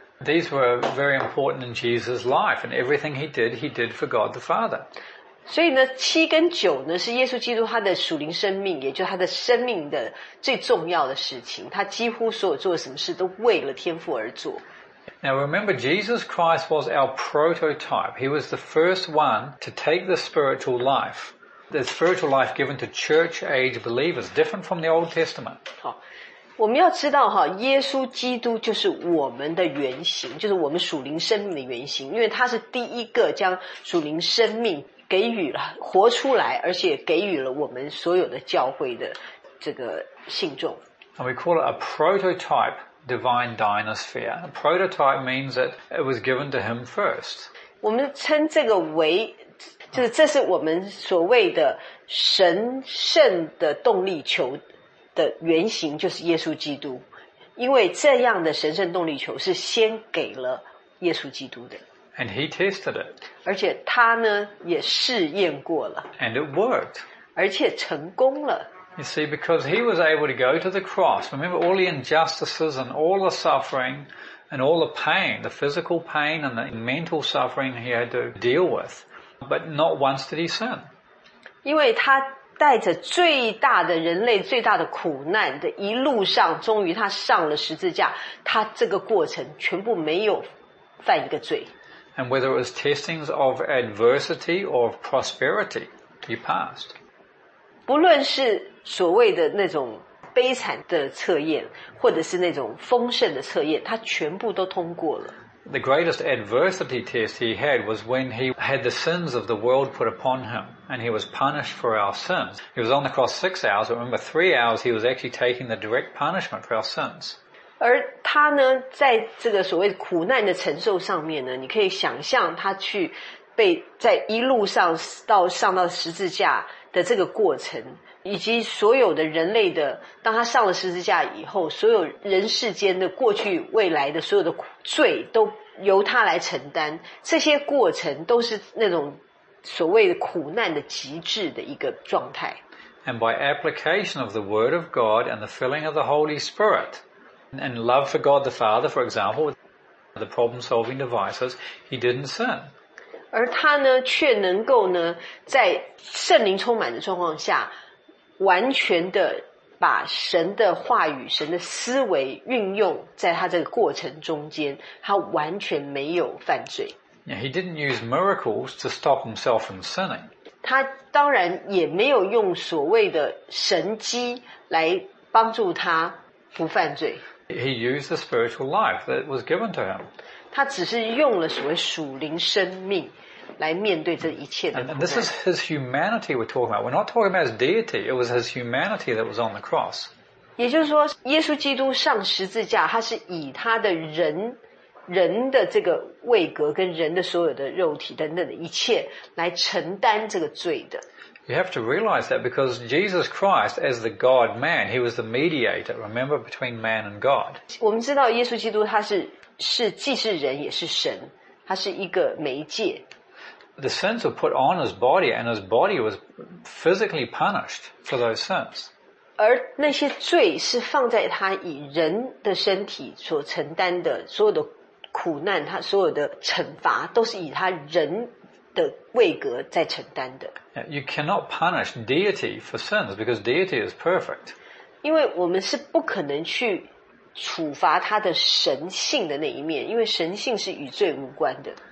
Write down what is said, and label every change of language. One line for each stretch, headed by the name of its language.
English: These were very important in Jesus' life, and everything he did for God the Father.
Chinese: 所以呢，七跟九呢，是耶稣基督他的属灵生命，也就是他的生命的最重要的事情。他几乎所有做的什么事都为了天父而做。
English: Now remember, Jesus Christ was our prototype. He was the first one to take the spiritual life, the spiritual life given to church-age believers, different from the Old Testament.
Chinese: 好。我们要知道哈，耶稣基督就是我们的原型，就是我们属灵生命的原型，因为他是第一个将属灵生命给予了活出来，而且给予了我们所有的教会的这个信众。
English: And we call it a prototype divine dynasphere. A prototype means that it was given to him first.
Chinese: 我们称这个为，就是这是我们所谓的神圣的动力球的原型，就是耶稣基督，因为这样的神圣动力球是先给了耶稣基督的。
English: And he tested it.
Chinese: 而且他呢也试验过了。
English: And it worked.
Chinese: 而且成功了。
English: You see, because he was able to go to the cross. Remember all the injustices and all the suffering and all the pain, the physical pain and the mental suffering he had to deal with. But not once did he sin.
Chinese: 因为他带着最大的人类最大的苦难的一路上，终于他上了十字架，他这个过程全部没有犯一个罪。
English: And whether it was testings of adversity or of prosperity, he passed.
Chinese: 不论是所谓的那种悲惨的测验，或者是那种丰盛的测验，他全部都通过了。
English: The greatest adversity test he had was when he had the sins of the world put upon him, and he was punished for our sins. He was on the cross 6 hours, but remember 3 hours he was actually taking the direct punishment for our sins.
Chinese: 而他呢，在这个所谓苦难的承受上面呢，你可以想象他去被在一路上到上到十字架的这个过程，以及所有的人类的，当他上了十字架以后，所有人世间的过去、未来的所有的罪都由他来承担，这些过程都是那种所谓的苦难的极致的一个状态。
English: And by application of the Word of God and the filling of the Holy Spirit, and love for God the Father, for example, the problem-solving devices, he didn't sin.
Chinese: 而他呢，却能够呢，在圣灵充满的状况下，完全的把神的话语、神的思维运用在他这个过程中间，他完全没有犯罪。
English: Yeah, he didn't use miracles to stop himself from sinning.
Chinese: 他当然也没有用所谓的神迹来帮助他不犯罪。
English: He used the spiritual life that was given to him.
Chinese: 他只是用了所谓属灵生命来面对这一切的苦难。
English: And this is his humanity we're talking about. We're not talking about his deity. It was his humanity that was on the cross.
Chinese: 也就是说，耶稣基督上十字架，他是以他的人的这个位格跟人的所有的肉体等等的一切来承担这个罪的。
English: You have to realize that because Jesus Christ, as the God-Man, He was the mediator. Remember, between man and God.
Chinese: 我们知道耶稣基督他是既是人也是神，他是一个媒介。
English: The sins were put on His body, and His body was physically punished for those sins.
Chinese: 而那些罪是放在他以人的身体所承担的所有的苦难，他所有的惩罚都是以他人。的位格在承担的。
English: You cannot punish deity for sins because deity is perfect.
Chinese: 因为我们是不可能去处罚他的神性的那一面，因为神性是与罪无关的。